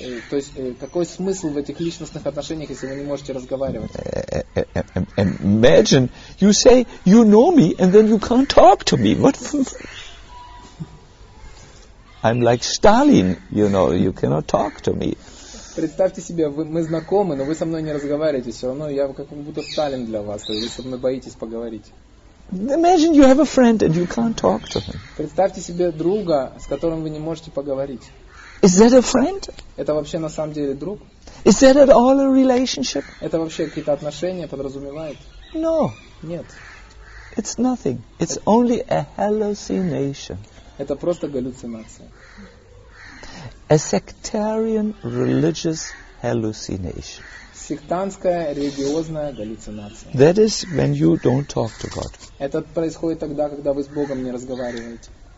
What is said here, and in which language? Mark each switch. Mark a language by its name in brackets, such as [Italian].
[Russian] То есть какой смысл в этих личностных отношениях, если вы не можете разговаривать? [English] Imagine you say you know me and then you can't talk to me. What? I'm like Stalin, you know, you cannot talk to me. [Russian] Представьте себе, мы знакомы, но вы со мной не разговариваете. Все равно я как будто Сталин для вас, то есть вы со мной боитесь поговорить. [English] Imagine you have a friend and you can't talk to him. [Russian] Представьте себе друга, с которым вы не можете поговорить. [English] Is that a friend? [Russian] Это вообще на самом деле друг? [English] Is that at all a relationship? [Russian] Это вообще какие-то отношения подразумевает? [English] No. [Russian] Нет. [English] It's nothing. It's only a hallucination. [Russian] Это просто галлюцинация. [English] A sectarian religious hallucination. [Russian] Сектантская религиозная галлюцинация. [English] That is when you don't talk to God. [Russian] Это происходит тогда, когда вы с Богом не разговариваете.